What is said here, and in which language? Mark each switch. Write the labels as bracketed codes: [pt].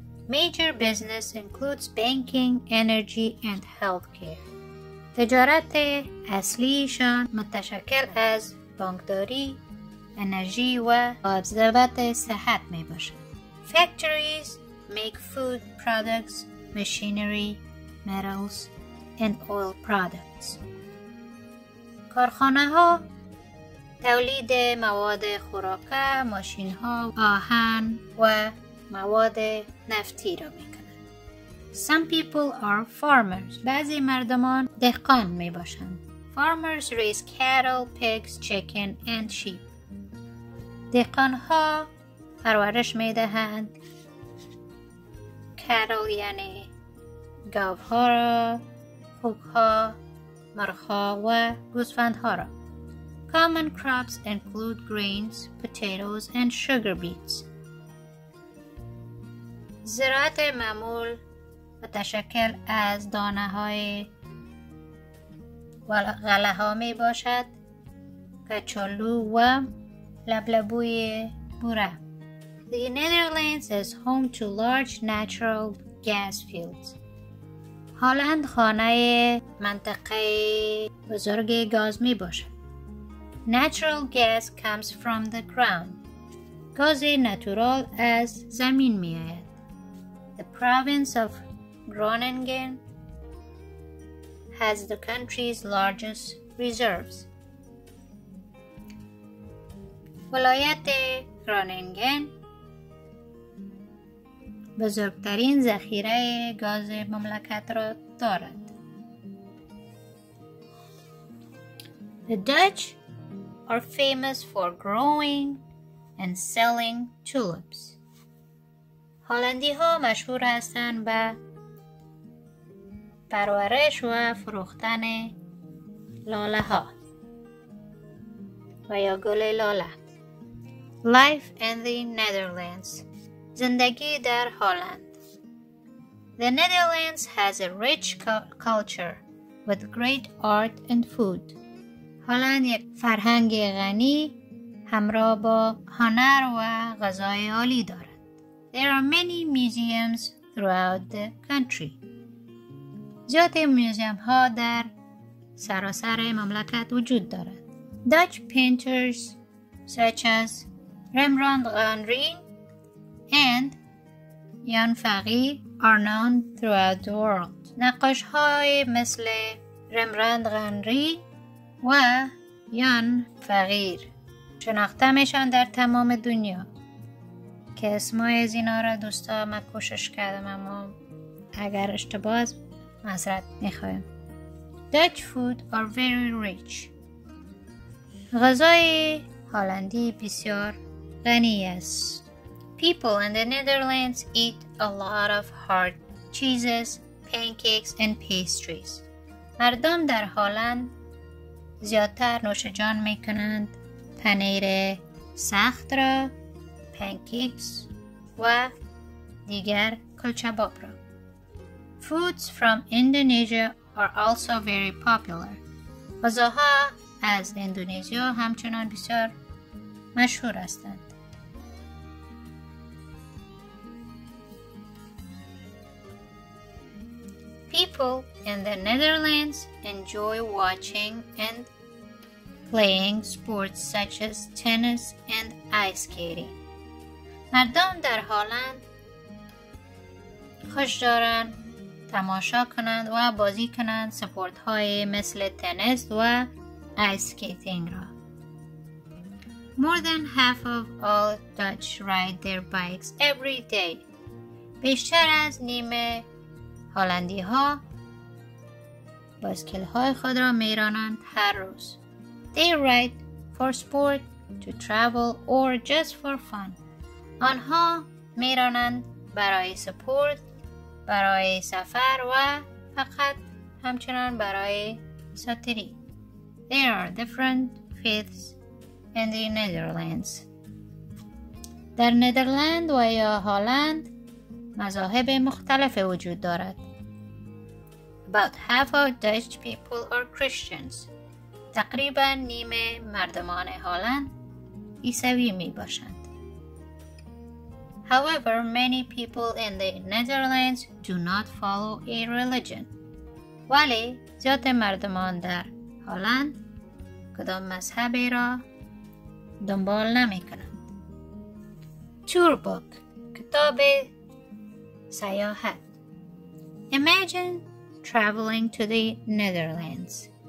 [en] Major business includes banking, energy and healthcare. [fa] تجارت اصلیشان متشکل از بانکداری، انرژی و حفظ صحت می باشد. [en] Factories make food products, machinery, metals, and oil products. [fa] کارخانه ها تولید مواد خوراکه، ماشین ها، آهن و مواد نفتی را می کنند. [en] Some people are farmers. [fa] بعضی مردمان دهقان می باشند. [en] Farmers raise cattle, pigs, chicken, and sheep. [fa] دهقان ها پرورش می دهند. Cattle یعنی گاوها را، خوک ها، مرخا و گوسفند ها را. [en] Common crops include grains, potatoes and sugar beets. [fa] زراعت معمول متشکل از دانه های و غله ها می باشد. کچالو و لبلبوی بوره. [en] The Netherlands is home to large natural gas fields. [fa] هالند خانه منطقه بزرگ گاز می باشد. [en] Natural gas comes from the ground. [fa] گاز ناتورال از زمین می آید. [en] The province of Groningen has the country's largest reserves. [fa] ولایت گرونینگن بزرگترین ذخیره گاز مملکت را دارد. [en] The Dutch are famous for growing and selling tulips. [fa] هالندی ها مشهور هستند به پرورش و فروختن لاله ها و یا گل لاله. [en] Life in the Netherlands. [fa] زندگی در هالند. [en] The Netherlands has a rich culture with great art and food. [fa] هالند یک فرهنگ غنی همراه با هنر و غذای عالی دارد. [en] There are many museums throughout the country. [fa] زیاد موزیم ها در سراسر مملکت وجود دارد. [en] Dutch painters such as Rembrandt van Rijn and Jan Fahy are known throughout the world. [fa] نقاش های مثل رمبراندت ون رین و یان فاهی شناخته میشن در تمام دنیا. که اسمای از اینا را دوستا من کوشش کردم اما اگر اشتباه معذرت میخوام. [en] Dutch food are very rich. [fa] غذای هالندی بسیار غنی است. [en] People in the Netherlands eat a lot of hard cheeses, pancakes and pastries. [fa] مردم در هالند زیادتر نوشجان می کنند. پنیر سخت را، پنکیکس و دیگر کلچباب را. [en] Foods from Indonesia are also very popular. [fa] غذاها از اندونزیا همچنان بسیار مشهور هستند. [en] People in the Netherlands enjoy watching and playing sports such as tennis and ice skating. [fa] مردم در هالند خوش دارند تماشا کنند و بازی کنند سپورت های مثل تنیس و ice skating را. [en] More than half of all Dutch ride their bikes every day. [fa] بیشتر از نیمه هالندی ها بایسکل های خود را می رانند هر روز. [en] They ride for sport, to travel or just for fun. [fa] آنها می رانند برای سپورت، برای سفر و فقط همچنان برای ساتری. [en] There are different faiths in the Netherlands. [fa] در نیدرلند و یا هالند مذاهب مختلف وجود دارد. [en] About half of Dutch people are Christians. [fa] تقریبا نیم مردمان هالند عیسوی می باشند. [en] However, many people in the Netherlands do not follow a religion. [fa] ولی زیاد مردمان در هالند کدام مذهبی را دنبال نمی کنند. [en] Tour book, [fa] کتاب سیاحت. [en] Imagine traveling to the Netherlands.